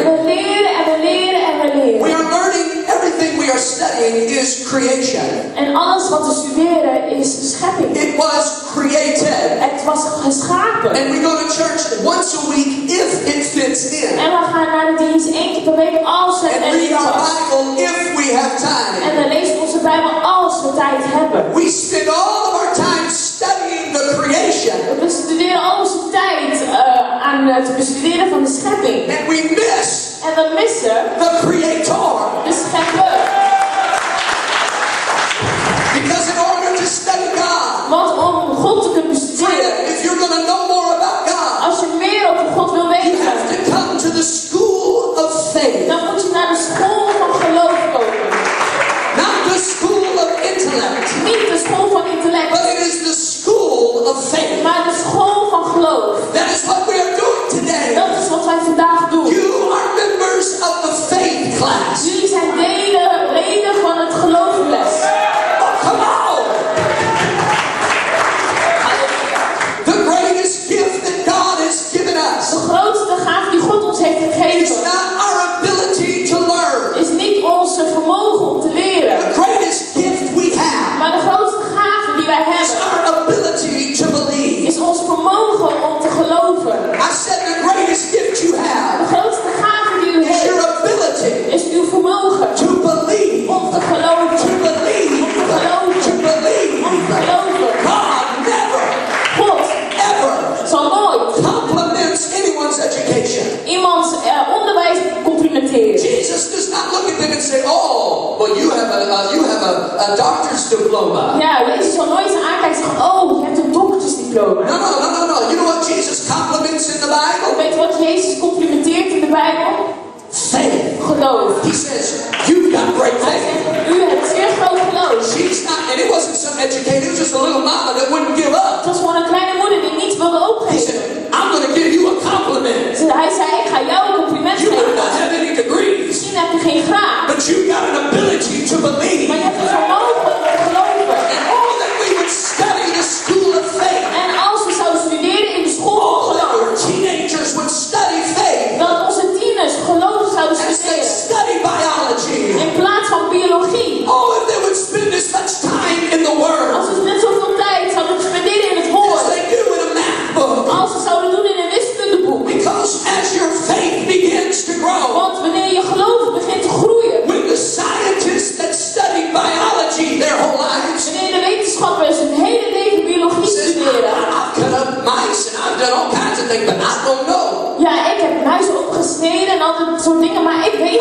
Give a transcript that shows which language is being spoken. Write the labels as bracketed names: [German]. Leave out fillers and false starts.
[Dutch] En we leren en we leren en we leren. [English] We are learning everything we are studying is creation. [Dutch] En alles wat we studeren is schepping. [English] It was created. [Dutch] Het was geschapen. [English] And we go to church once a week if it fits in. [Dutch] En we gaan naar de dienst één keer per week als het en [English] we read the Bible if we have time. [Dutch] En we lezen onze Bijbel als we tijd hebben. [English] We spend all of our time studying the creation. [Dutch] We studeren al onze tijd aan het bestuderen van de schepping. [English] And we miss. [Dutch] En we missen. [English] The Creator. [Dutch] De schepper. [English] Because in order to study God. [Dutch] Want om God te kunnen bestuderen. [English] If you're going to know more about God. [Dutch] Als je meer over God wil weten. [English] You have to come to the school of faith. [Dutch] Dan moet je naar de school van geloof komen. [English] Not the school of intellect. [Dutch] Niet de school van intellect. [English] But it is the school of faith. [Dutch] Maar de school van geloof. [English] That is what we are doing today. [Dutch] Dat is wat wij vandaag doen. [English] You are members of the faith class. [Dutch] Jullie zijn leden van het geloofles. [English] Oh, come on! The greatest gift that God has given us. [Dutch] De grootste gave die God ons heeft gegeven. [English] Is not our ability to learn. [Dutch] Is niet onze vermogen om te leren. [English] The greatest gift we have. [Dutch] Maar de grootste gave die wij hebben. [English] Is our ability to believe. [Dutch] Is ons vermogen om geloven. [English] I said the greatest gift you have. [Dutch] De grootste gave die u heeft. [English] Is your ability. [Dutch] Is uw vermogen. [English] To believe. [Dutch] Om te geloven. [English] To believe. [Dutch] Om te geloven. [English] To believe. [Dutch] Om te geloven. [English] God never. [Dutch] God. [English] Ever. [Dutch] Zal nooit. [English] Compliments anyone's education. [Dutch] Iemands onderwijs complimenteren. [English] Jesus does not look at them and say, oh, but you have a doctor's diploma. [Dutch] Ja, Jezus zal nooit zijn aankijken en zeggen, oh, je hebt een doktersdiploma. [English] No. You know what Jesus compliments in the Bible? [Dutch] Weet je wat Jezus complimenteert in de Bijbel? [English] Faith. [Dutch] Geloof. [English] He says, you've got great faith. [Dutch] U hebt zeer groot geloof. [English] She's not, and it wasn't some educated, it was just a little mama that wouldn't give up. [Dutch] Het was gewoon een kleine moeder die niets wilde opgeven. [English] He said, I'm going to give you a compliment. [Dutch] Dus hij zei, ik ga jou een compliment geven. [English] You might not have any degrees. [Dutch] Misschien heb je geen graad. [English] But you've got an ability to believe. [Dutch] Maar je hebt een vermogen om te geloven. [English] And all that we would study the school of faith. [Dutch] En als we zouden studeren in de school van geloof. [English] All that our teenagers would study faith. [Dutch] Dat onze tieners geloof zouden studeren. [English] As they study biology. [Dutch] In plaats van biologie. [English] All that they would spend this much time in the world. [Dutch] Als ze net zoveel tijd zouden spenderen in het woord. [English] As they do in a math book. [Dutch] Als ze zouden doen in een wiskundeboek. [English] Because as your faith begins to grow. [Dutch] Want wanneer je geloof begint te groeien. [English] When the scientists that study biology their whole lives. [Dutch] Wanneer de wetenschappers hun hele leven biologie studeren. [English] I've cut up mice and I've done all kinds of things, but I don't know. [Dutch] Ja, ik heb muizen opgesneden en al dat soort dingen, maar ik weet